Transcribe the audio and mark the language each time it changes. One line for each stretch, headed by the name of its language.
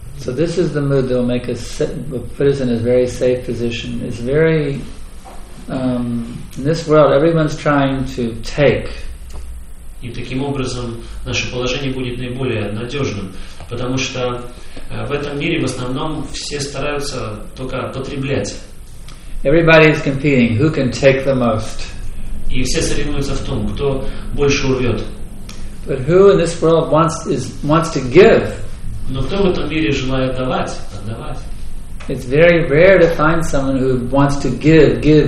English: So this is the mood that will make us put us in a very safe position. It's very in this world everyone's trying to take.
Russian: И таким образом наше положение будет наиболее надежным, потому что в этом мире в основном все стараются только потреблять.
English: Everybody is competing. Who can take the most?
Russian: И все соревнуются в том, кто больше урвет.
English: But who in this world wants to give?
Russian: Но кто в этом мире желает давать, отдавать?
English: It's very rare to find someone who wants to give.